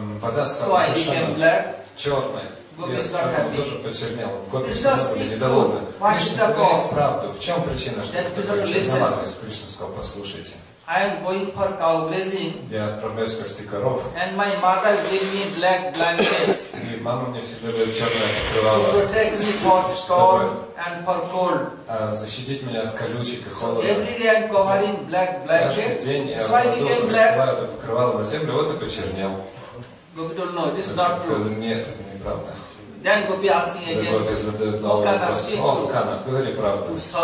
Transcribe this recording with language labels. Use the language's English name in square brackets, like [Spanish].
[Russian] вода стала совершенно черной, я тоже почернел, Гопи стал недоволен. Кришна говорит правду, в чем причина, что ты такой черномазый? Кришна сказал, послушайте. [English] I am going for cow grazing. [Russian] Я отправляюсь пасти коров. [English] And my mother gave me black blanket. [Russian] И мама мне всегда дает черное покрывало. [English] To protect me for storm and for cold. [Russian] Защитить меня от колючек и холода. [English] Every day I'm covering black blanket. [Russian] Каждый день я раскрываю это покрывало на землю, вот и почернел. [English] Gopi don't know. This is not true. [Russian] Нет, это неправда. [English] Then Gopi asking again. [Russian] Gopi задает новый вопрос. О, Кана, говори правду.